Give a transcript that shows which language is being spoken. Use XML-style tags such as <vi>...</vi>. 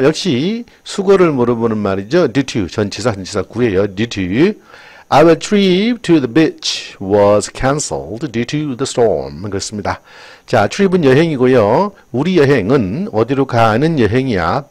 <ko>역시 수거를 물어보는 말이죠. due to, 전치사 구예요.</ko> <en>due to, our trip to the beach was cancelled due to the storm.</en> <ko>그렇습니다. 자, trip은 여행이고요. 우리 여행은 어디로 가는 여행이야?</ko>